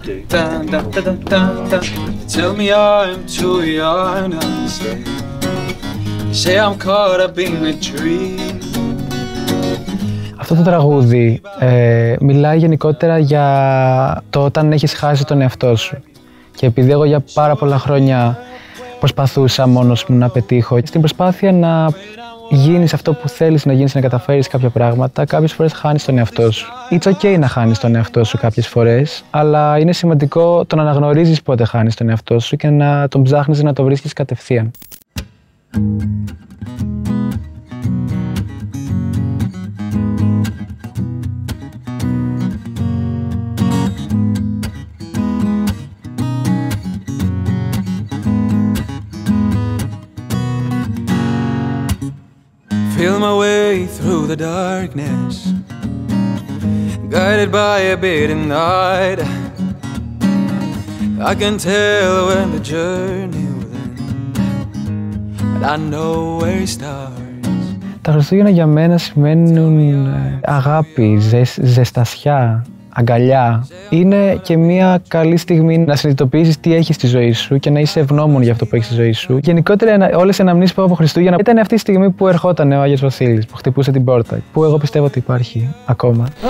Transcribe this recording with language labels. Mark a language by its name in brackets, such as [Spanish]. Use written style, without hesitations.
[English] Tell me I'm too young to say. Say I'm caught up in a dream. [Greek] Αυτό το τραγούδι μιλάει γενικότερα για το όταν έχεις χάσει τον εαυτό σου. Και επειδή εγώ για πάρα πολλά χρόνια προσπαθούσα μόνος μου να πετύχω, στην προσπάθεια να γίνεις αυτό που θέλεις να γίνεις, να καταφέρεις κάποια πράγματα, κάποιες φορές χάνεις τον εαυτό σου. [English] It's okay [Greek] να χάνεις τον εαυτό σου κάποιες φορές, αλλά είναι σημαντικό το να αναγνωρίζεις πότε χάνεις τον εαυτό σου και να τον ψάχνεις να το βρίσκεις κατευθείαν. [English] Feel my way through the darkness, guided by a beating heart. I can tell when the journey will end, but I know where it starts. [Greek] Τα Χριστούγεννα για μένα σημαίνουν αγάπη, ζεστασιά, αγκαλιά. Είναι και μια καλή στιγμή να συνειδητοποιήσεις τι έχεις στη ζωή σου και να είσαι ευγνώμων για αυτό που έχεις στη ζωή σου. Γενικότερα, όλες οι αναμνήσεις που έχω από Χριστούγεννα ήταν αυτή η στιγμή που ερχόταν ο Άγιος Βασίλης, που χτυπούσε την πόρτα, που εγώ πιστεύω ότι υπάρχει ακόμα.